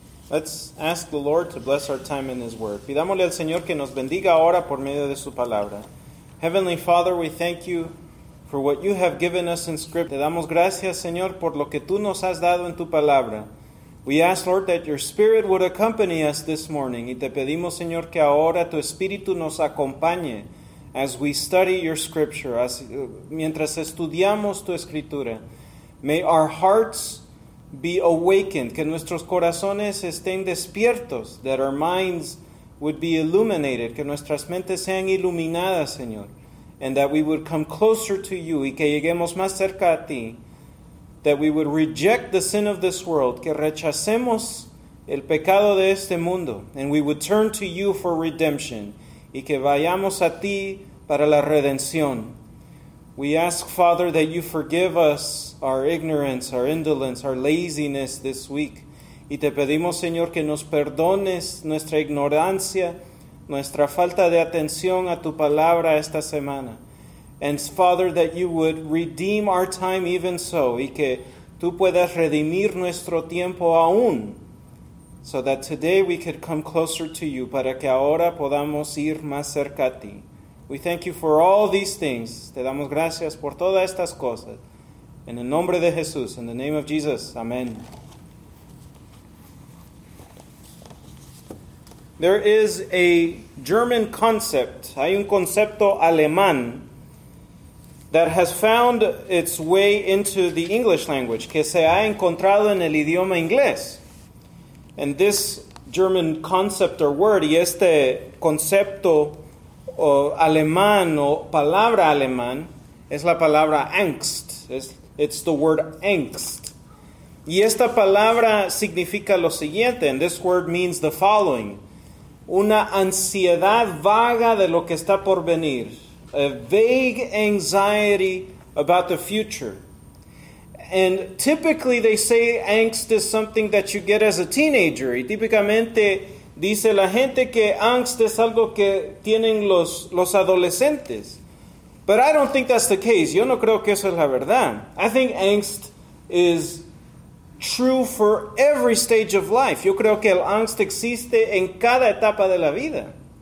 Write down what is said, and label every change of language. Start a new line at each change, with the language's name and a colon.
English: Let's ask the Lord to bless our time in His Word.
Spanish: Pidámosle al Señor que nos bendiga ahora por medio de su palabra.
English: Heavenly Father, we thank you for what you have given us in Scripture.
Spanish: Te damos gracias, Señor, por lo que tú nos has dado en tu palabra.
English: We ask, Lord, that your Spirit would accompany us this morning.
Spanish: Y te pedimos, Señor, que ahora tu Espíritu nos acompañe
English: as we study your Scripture,
Spanish: mientras estudiamos tu Escritura.
English: May our hearts be awakened,
Spanish: que nuestros corazones estén despiertos,
English: that our minds would be illuminated,
Spanish: que nuestras mentes sean iluminadas, Señor,
English: and that we would come closer to you,
Spanish: y que lleguemos más cerca a ti,
English: that we would reject the sin of this world,
Spanish: que rechacemos el pecado de este mundo,
English: and we would turn to you for redemption,
Spanish: y que vayamos a ti para la redención.
English: We ask, Father, that you forgive us our ignorance, our indolence, our laziness this week.
Spanish: Y te pedimos, Señor, que nos perdones nuestra ignorancia, nuestra falta de atención a tu palabra esta semana.
English: And, Father, that you would redeem our time even so.
Spanish: Y que tú puedas redimir nuestro tiempo aún.
English: So that today we could come closer to you.
Spanish: Para que ahora podamos ir más cerca a ti.
English: We thank you for all these things.
Spanish: Te damos gracias por todas estas cosas. En el nombre de Jesús,
English: in the name of Jesus, amen. There is a German concept,
Spanish: hay un concepto alemán,
English: that has found its way into the English language,
Spanish: que se ha encontrado en el idioma inglés.
English: And this German concept or word,
Spanish: y este concepto o alemán o palabra alemán, es la palabra Angst.
English: It's the word angst.
Spanish: Y esta palabra significa lo siguiente.
English: And this word means the following.
Spanish: Una ansiedad vaga de lo que está por venir.
English: A vague anxiety about the future. And typically they say angst is something that you get as a teenager.
Spanish: Y típicamente dice la gente que angst es algo que tienen los adolescentes.
English: But I don't think that's the case.
Spanish: Yo no creo que eso es la verdad.
English: I think angst is true for every stage of life.
Spanish: Yo creo que el angst existe en cada etapa de la vida.